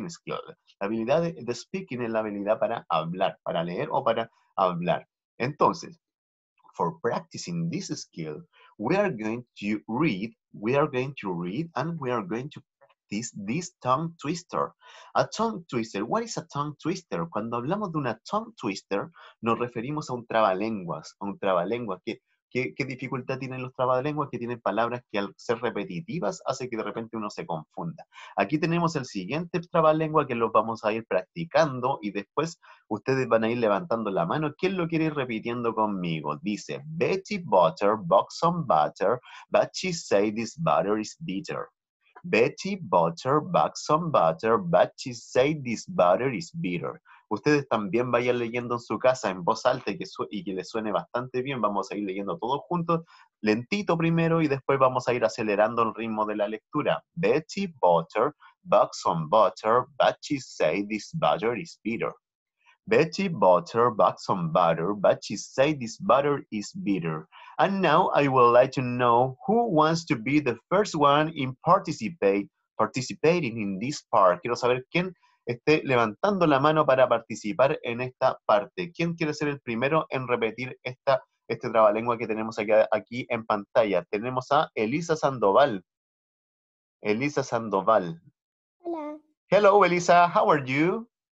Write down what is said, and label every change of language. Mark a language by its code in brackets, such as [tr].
[es] La habilidad de speaking es la habilidad para hablar, para leer o para hablar. [en] Entonces, for practicing this skill, we are going to read, and we are going to practice this tongue twister. A tongue twister. What is a tongue twister? [es] Cuando hablamos de una tongue twister, nos referimos a un trabalenguas. A un trabalenguas. ¿Qué dificultad tienen los trabalenguas? Que tienen palabras que al ser repetitivas hace que de repente uno se confunda. Aquí tenemos el siguiente trabalengua que lo vamos a ir practicando y después ustedes van a ir levantando la mano. ¿Quién lo quiere ir repitiendo conmigo? [en] Dice, Betty butter, box on butter, but she say this butter is bitter. Betty butter, box on butter, but she say this butter is bitter. [es] Ustedes también vayan leyendo en su casa en voz alta y que les suene bastante bien. Vamos a ir leyendo todos juntos, lentito primero y después vamos a ir acelerando el ritmo de la lectura. [en] Betty butter, box on butter, but she say this butter is bitter. Betty butter, box on butter, but she say this butter is bitter. And now I would like to know who wants to be the first one in participating in this part. [es] Quiero saber quién esté levantando la mano para participar en esta parte. ¿Quién quiere ser el primero en repetir este trabalengua que tenemos aquí en pantalla? Tenemos a Elisa Sandoval. Elisa Sandoval. Hola. [en] Hello, Elisa. How are you?